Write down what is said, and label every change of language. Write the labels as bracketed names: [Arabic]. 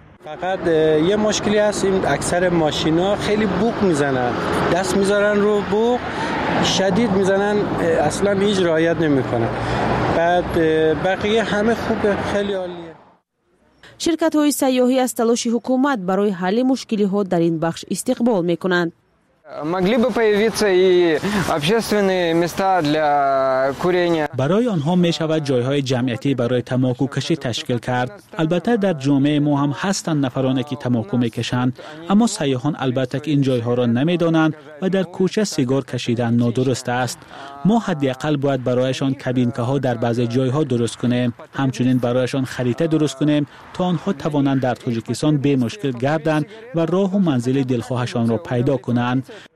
[Persian] فقط یه مشکلی هست، این اکثر ماشینا خیلی بوق میزنن، دست میذارن رو بوق شدید میزنن، اصلا هیچ رعایت نمیکنن. بعد بقیه همه خوبه، خیلی عالیه. شرکت های سیاحی از تلاش حکومت برای حل مشکلی ها در این بخش استقبال میکنند. [Russian] могли бы появиться и общественные места для курения. [Persian] برای آنها می شود جای های جمعیتی برای تماکو کشی تشکیل کرد. البته در جامعه ما هم هستند نفرانی که تماکو می کشند، اما سیاحان البته این جای ها را نمی دانند و در کوچه سیگار کشیدن نادرست است. ما حداقل باید برایشان کابینکه ها در بعضی جای ها درست کنیم، همچنین برایشان خریطه درست کنیم تا آنها توانند در تاجیکستان به مشکل گردند و راه و منزل دلخواهشان را پیدا کنند.